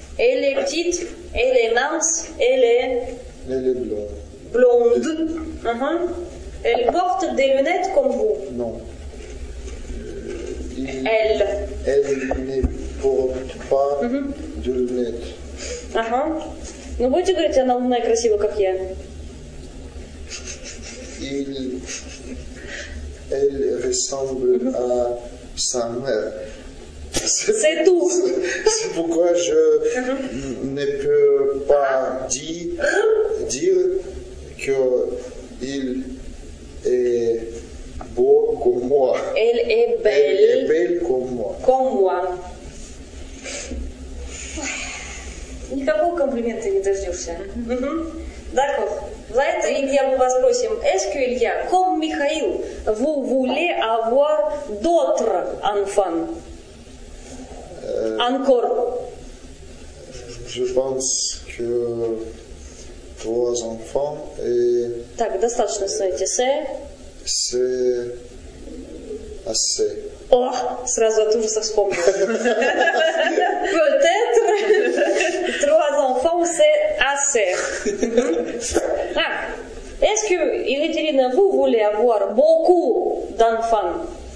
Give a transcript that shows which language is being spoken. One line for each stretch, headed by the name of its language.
French: Elle est petite, elle est mince, elle est... Elle est blonde. Blonde. Uh-huh. Elle porte des lunettes comme vous. Non. Elle. Elle ne porte pas de lunettes. Uh-huh.
Russian: Ну, будете говорить, она умная, красивая, как я. Или...
French: Elle ressemble à sa mère. C'est tout. C'est pourquoi je ne peux pas dire qu'il est beau comme moi. Elle est belle. Elle est belle comme moi. Comme moi.
Russian: Никакого комплимента не дождешься.
French: D'accord.
Russian: Знаете, Илья, мы вас спросим,
French: est-ce que Илья, comme Михаил, vous voulez avoir d'autres enfants? Encore. Je pense que trois enfants et...
Russian: Так, достаточно, смотрите,
French: c'est assez.
Russian: О, сразу от ужаса вспомнил.
French: Peut-être trois enfants, c'est assez.
Russian: Так,
French: est-ce que, Екатерина, vous voulez avoir beaucoup d'enfants?